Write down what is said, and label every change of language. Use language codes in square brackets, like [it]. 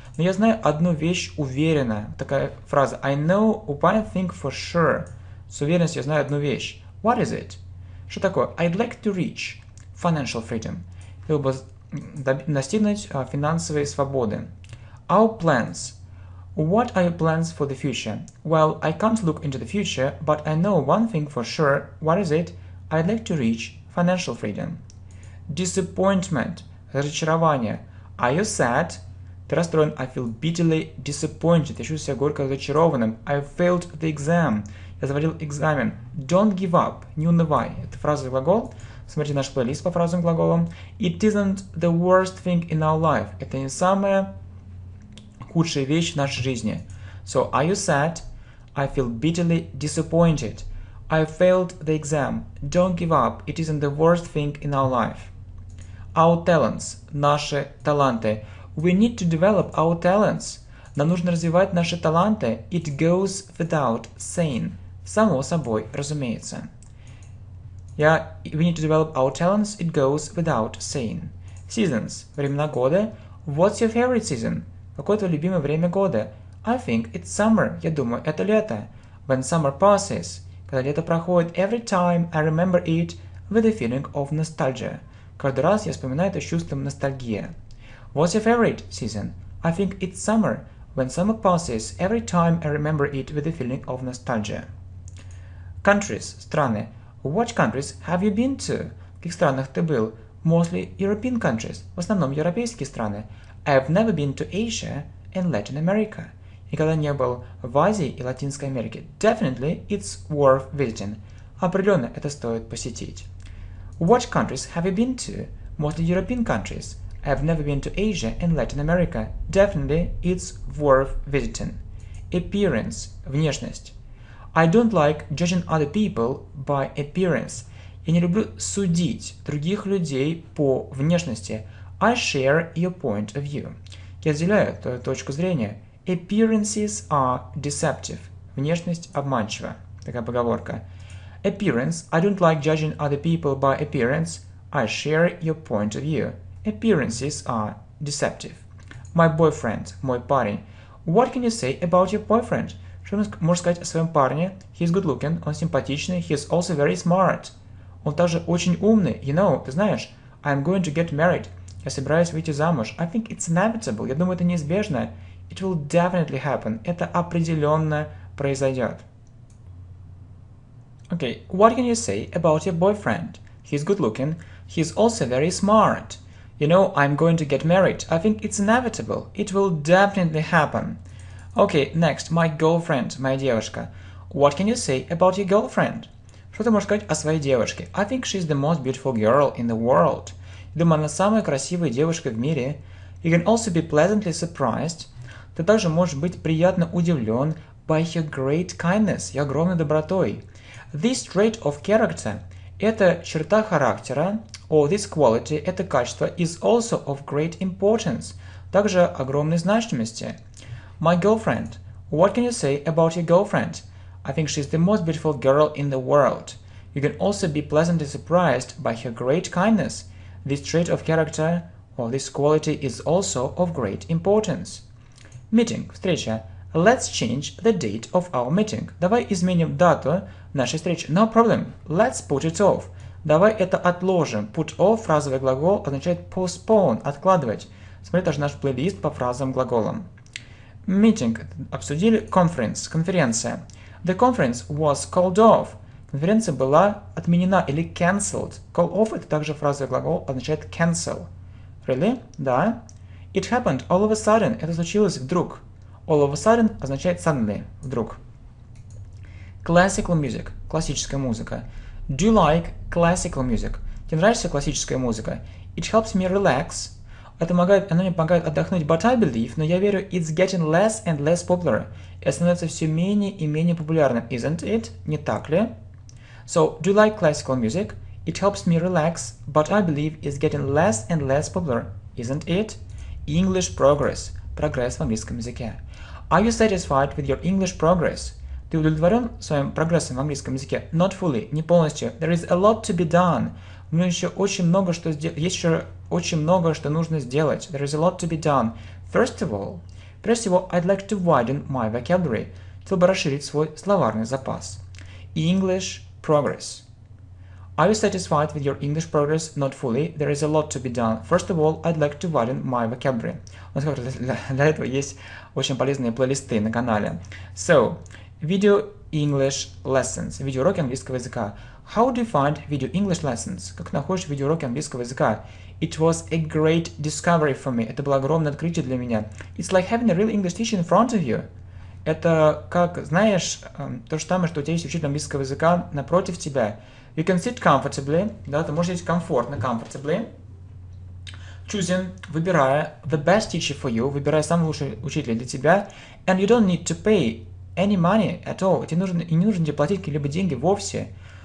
[ru] Но я знаю одну вещь уверенно. Такая фраза. [en] I know one thing for sure. [ru] С уверенностью я знаю одну вещь. [en] What is it? [ru] Что такое? [en] I'd like to reach financial freedom. [ru] Хотел бы достигнуть финансовой свободы. [en] Our plans. What are your plans for the future? Well, I can't look into the future, but I know one thing for sure. What is it? I'd like to reach financial freedom. Disappointment. [ru] Разочарование. [en] Are you sad? [ru] Ты расстроен? [en] I feel bitterly disappointed. [ru] Я чувствую себя горько разочарованным. [en] I failed the exam. [ru] Я завалил экзамен. [en] Don't give up. [ru] Не унывай. Это фраза и глагол. Смотрите наш плейлист по фразам и глаголам. [en] It isn't the worst thing in our life. [ru] Это не самая худшая вещь в нашей жизни. [en] So, are you sad? I feel bitterly disappointed. I failed the exam. Don't give up. It isn't the worst thing in our life. Our talents. [ru] Наши таланты. [en] We need to develop our talents. [ru] Нам нужно развивать наши таланты. [en] It goes without saying. [ru] Само собой, разумеется. [en] We need to develop our talents. It goes without saying. Seasons. [ru] Времена года. [en] What's your favorite season? [ru] Какое твое любимое время года? [en] I think it's summer. [ru] Я думаю, это лето. [en] When summer passes. [ru] Когда лето проходит. [en] Every time I remember it with a feeling of nostalgia. [ru] Каждый раз я вспоминаю это с чувством ностальгии. [en] What's your favorite season? I think it's summer. When summer passes, every time I remember it with a feeling of nostalgia. Countries, страны. What countries have you been to? [ru] В каких странах ты был? [en] Mostly European countries. [ru] В основном европейские страны. [en] I've never been to Asia and Latin America. [ru] Никогда не был в Азии и Латинской Америке. [en] Definitely it's worth visiting. [ru] Определенно это стоит посетить. [en] What countries have you been to? Mostly European countries. I have never been to Asia and Latin America. Definitely, it's worth visiting. Appearance. [ru] Внешность. [en] I don't like judging other people by appearance. [ru] Я не люблю судить других людей по внешности. [en] I share your point of view. [ru] Я разделяю твою точку зрения. [en] Appearances are deceptive. [ru] Внешность обманчива. Такая поговорка. [en] Appearance. I don't like judging other people by appearance. I share your point of view. Appearances are deceptive. My boyfriend, [ru] мой парень. [en] What can you say about your boyfriend? [ru] Что можешь сказать о своем парне? [en] He's good looking, [ru] он симпатичный. [en] He's also very smart. [ru] Он также очень умный. [en] You know, [ru] ты знаешь, [en] I'm going to get married. [ru] Я собираюсь выйти замуж. [en] I think it's inevitable. [ru] Я думаю, это неизбежно. [en] It will definitely happen. [ru] Это определенно произойдет. [en] Okay, what can you say about your boyfriend? He's good looking. He's also very smart. You know, I'm going to get married. I think it's inevitable. It will definitely happen. Okay, next. My girlfriend, [ru] моя девушка. [en] What can you say about your girlfriend? [ru] Что ты можешь сказать о своей девушке? [en] I think she's the most beautiful girl in the world. [ru] Думаю, она самая красивая девушка в мире. [en] You can also be pleasantly surprised. [ru] Ты также можешь быть приятно удивлен [en] by her great kindness, [ru] ее огромной добротой. [en] This trait of character, [ru] эта черта характера, [en] or this quality, [ru] это качество, [en] is also of great importance, [ru] также огромной значимости. [en] My girlfriend, what can you say about your girlfriend? I think she's the most beautiful girl in the world. You can also be pleasantly surprised by her great kindness. This trait of character, or this quality, is also of great importance. Meeting, встреча. Let's change the date of our meeting. [ru] Давай изменим дату нашей встречи. [en] No problem. Let's put it off. [ru] Давай это отложим. Put off, фразовый глагол, означает postpone, откладывать. Смотри даже наш плейлист по фразам глаголам. [en] Meeting. [ru] Обсудили. [en] Conference. Конференция. The conference was called off. [ru] Конференция была отменена или cancelled. Call off – это также фразовый глагол, означает cancel. [en] Really? [ru] Да. [en] It happened all of a sudden. [ru] Это случилось вдруг. [en] All of a sudden означает suddenly, вдруг. Classical music – [ru] классическая музыка. [en] Do you like classical music? [ru] Тебе нравится классическая музыка? [en] It helps me relax. [ru] Это помогает, оно мне помогает отдохнуть, [en] but I believe, [ru] но я верю, [en] it's getting less and less popular. [ru] И становится все менее и менее популярным, [en] isn't it? [ru] Не так ли? [en] So, do you like classical music? It helps me relax, but I believe it's getting less and less popular, isn't it? English progress. [ru] Прогресс в английском языке. [en] Are you satisfied with your English progress? [ru] Ты удовлетворен своим прогрессом в английском языке? [en] Not fully. [ru] Не полностью. [en] There is a lot to be done. [ru] У меня еще очень много, что есть еще очень много, что нужно сделать. [en] There is a lot to be done. First of all, I'd like to widen my vocabulary. [ru] Хотел бы расширить свой словарный запас. [en] English progress. Are you satisfied with your English progress? Not fully. There is a lot to be done. First of all, I'd like to widen my vocabulary. [ru] Он сказал, что для этого есть очень полезные плейлисты на канале. [en] So, video English lessons. [ru] Видеоуроки английского языка. [en] How do you find video English lessons? [ru] Как находишь видеоуроки английского языка? [en] It was a great discovery for me. [ru] Это было огромное открытие для меня. [en] It's like having a real English teacher in front of you. [ru] Это как, знаешь, то же самое, что у тебя есть учитель английского языка напротив тебя. [en] You can sit comfortably, [ru] да, ты можешь сидеть комфортно, [en] comfortably, choosing, выбирая the best teacher for you, [ru] выбирая самый лучший учитель для тебя, [en] and you don't need to pay any money at all, [ru] не нужно тебе платить какие-либо деньги вовсе.